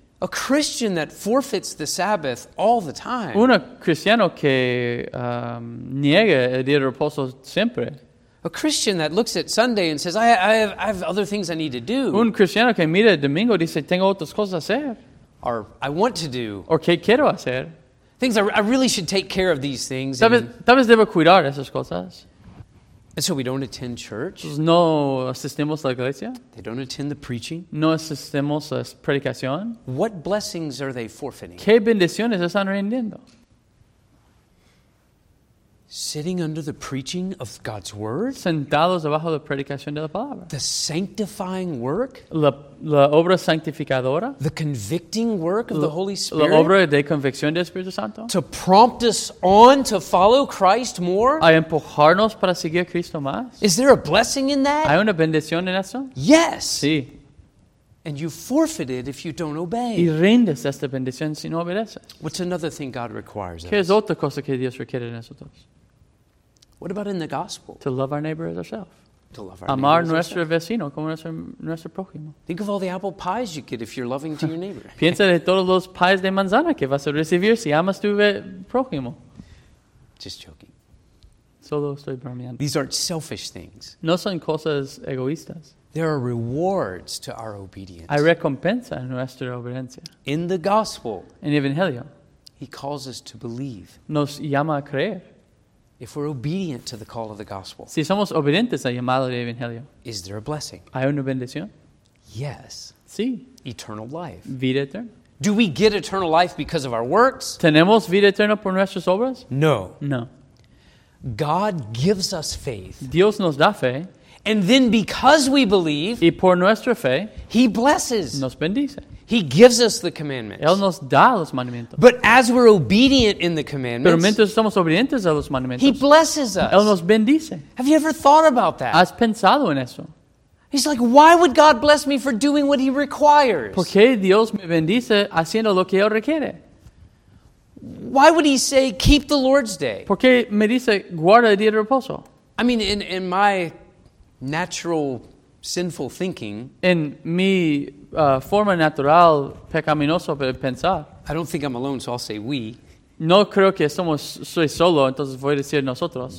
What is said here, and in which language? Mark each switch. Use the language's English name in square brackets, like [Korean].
[English] A Christian that forfeits the Sabbath all the time. [Spanish] Un cristiano que niega el día de reposo siempre. [English] A Christian that looks at Sunday and says, I have other things I need to do. [Spanish] Un cristiano que mira el domingo dice, tengo otras cosas a hacer. [English] Or, I want to do. [Spanish] Or, que quiero hacer. [English] Things I really should take care of these things. [Spanish] Tal vez debo cuidar esas cosas. [English] And so we don't attend church. [Spanish] No asistimos a la iglesia. [English] They don't attend the preaching. [Spanish] No asistimos a la predicación. [English] What blessings are they forfeiting? [Spanish] ¿Qué bendiciones están rendiendo? [English] Sitting under the preaching of God's word, [Spanish] sentados debajo de la predicación de la palabra, [English] the sanctifying work, [Spanish] la obra santificadora, [English] the convicting work of the Holy Spirit, [Spanish] la obra de convicción del Espíritu Santo, [English] to prompt us on to follow Christ more, [Spanish] a empujarnos para seguir a Cristo más. [English] Is there a blessing in that? [Spanish] ¿Hay una bendición en eso? [English] Yes. [Spanish] Sí. [English] And you forfeit it if you don't obey. [Spanish] Y rindes esta bendición si no obedeces. [English] What's another thing God requires [Spanish] ¿Qué [English] us? [Spanish] Es otra cosa que Dios requiere de nosotros? [English] What about in the gospel? To love our neighbor as ourselves. To love our [Spanish] Amar nuestro vecino como nuestro prójimo. [English] Think of all the apple pies you get if you're loving to your neighbor. [Spanish] Piensa de todos los pies de manzana que vas a recibir si amas tu prójimo. [English] Just joking. [Spanish] Solo estoy bromeando. [English] These aren't selfish things. [Spanish] No son cosas egoístas. [English] There are rewards to our obedience. [Spanish] Hay recompensa en nuestra obediencia. [English] In the gospel. [Spanish] En Evangelio. [English] He calls us to believe. [Spanish] Nos llama a creer. [English] If we're obedient to the call of the gospel, [Spanish] si somos obedientes al llamado del evangelio, [English] is there a blessing? [Spanish] ¿Hay una bendición? [English] Yes. [Spanish] Sí. [English] Eternal life. [Spanish] Vida eterna. [English] Do we get eternal life because of our works? [Spanish] ¿Tenemos vida eterna por nuestras obras? [English] No. [Spanish] No. [English] God gives us faith. [Spanish] Dios nos da fe. [English] And then because we believe, [Spanish] y por nuestra fe, [English] He blesses. [Spanish] Nos bendice. [English] He gives us the commandments. [Spanish] Él nos da los mandamientos. [English] But as we're obedient in the commandments, [Spanish] pero mientras somos obedientes a los mandamientos, [English] He blesses us. [Spanish] Él nos bendice. [English] Have you ever thought about that? [Spanish] ¿Has pensado en eso? [English] He's like, why would God bless me for doing what He requires? [Spanish] Porque Dios me bendice haciendo lo que Él requiere. [English] Why would He say, keep the Lord's Day? [Spanish] Porque me dice, guarda el día de reposo. [English] I mean, in my natural sinful thinking, [Spanish] en mi forma natural pecaminoso de pensar, [English] I don't think I'm alone, so I'll say we. [Spanish] No creo que somos soy solo, entonces voy a decir nosotros.